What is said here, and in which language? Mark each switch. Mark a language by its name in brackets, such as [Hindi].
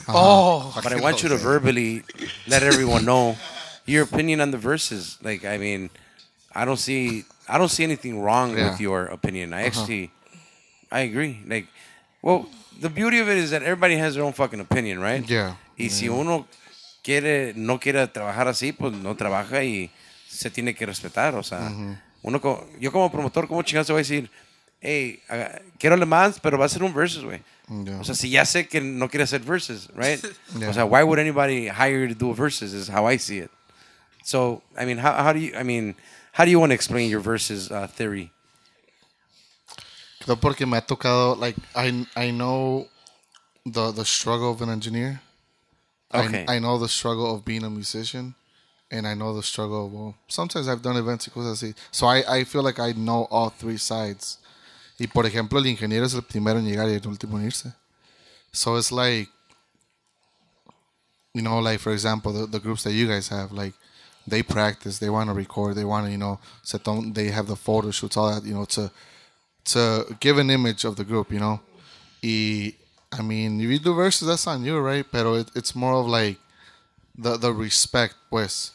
[English] Uh-huh. Oh, but I want you to verbally let everyone know your opinion on the verses. Like, I mean, I don't see anything wrong with your opinion. I actually, I agree. Like, well, the beauty of it is that everybody has their own fucking opinion, right? Yeah. [Spanish] Y si uno no quiere trabajar así, pues no trabaja y se tiene que respetar, o sea, uno yo como promotor, ¿cómo chingados te voy a decir, hey, quiero Le Mans, pero va a ser un versus, güey? [English] Yeah. [Spanish] O sea, si ya sé que no quiere hacer versus, right? [English] Yeah. [Spanish] O sea, [English] why would anybody hire you to do a versus, is how I see it. So, I mean, how do you want to explain your versus theory? [Spanish] No, porque me ha tocado, [English] like, I know the struggle of an engineer. Okay. I know the struggle of being a musician. And I know the struggle. Well, sometimes I've done events because I see. So I feel like I know all three sides. [Spanish] Y por ejemplo, el ingeniero es el primero en llegar y el último en irse. [English] So it's like, you know, like for example, the groups that you guys have, like they practice, they want to record, they want to, you know, set them, they have the photo shoots, all that, you know, to give an image of the group, you know. Y, I mean, if you do verses, that's on you, right? Pero it's more of like the respect, pues.